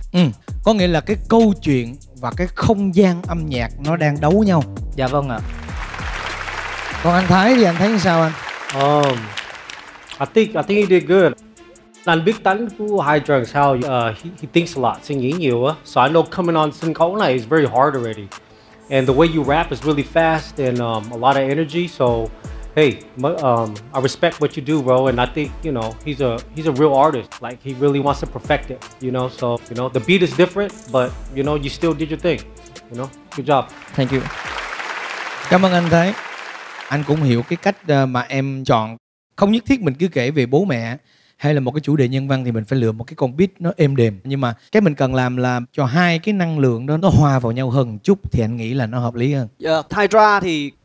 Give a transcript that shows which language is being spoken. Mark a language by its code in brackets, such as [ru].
[vi] Ừ, có nghĩa là cái câu chuyện và cái không gian âm nhạc nó đang đấu nhau. Dạ vâng ạ. Còn anh Thái thì anh thấy như sao anh? [en] I think he did good. [vi] Anh biết tánh của Hydra sao, [en] he thinks a lot, [vi] suy nghĩ nhiều á. [en] So I know coming on [vi] sân khấu này [en] is very hard already. And the way you rap is really fast and a lot of energy, so hey, I respect what you do, bro, and I think, you know, he's a real artist. Like, he really wants to perfect it, you know? So, you know, the beat is different, but, you know, you still did your thing, you know? Good job. Thank you. [vi] Cảm ơn anh Thái. Anh cũng hiểu cái cách mà em chọn. Không nhất thiết mình cứ kể về bố mẹ hay là một cái chủ đề nhân văn thì mình phải lựa một cái con beat nó êm đềm. Nhưng mà cái mình cần làm là cho hai cái năng lượng đó nó hòa vào nhau hơn chút thì anh nghĩ là nó hợp lý hơn. Hydra thì...